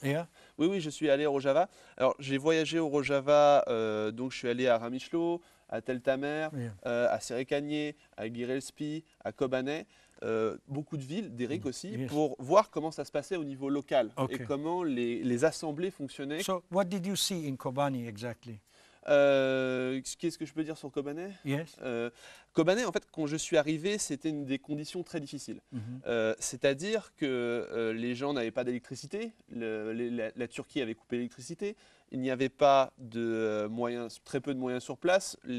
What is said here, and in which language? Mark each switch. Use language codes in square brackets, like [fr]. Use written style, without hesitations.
[en] Yeah. [fr] Oui, je suis allé au Rojava. Alors, j'ai voyagé au Rojava, donc je suis allé à Ramishlo, à Tel Tamer, [en] yeah. [fr] À Serekanié, à Girelspi, à Kobané, beaucoup de villes, Derek aussi, [en] yes. [fr] pour voir comment ça se passait au niveau local [en] okay. [fr] et comment les assemblées fonctionnaient. [en] So, what did you see in Kobani exactly? [fr] Qu'est-ce que je peux dire sur Kobané? [en] Yes. [fr] Kobané, en fait, quand je suis arrivé, c'était une des conditions très difficiles. Mm-hmm. C'est-à-dire que les gens n'avaient pas d'électricité, la Turquie avait coupé l'électricité, il n'y avait pas de moyens, très peu de moyens sur place.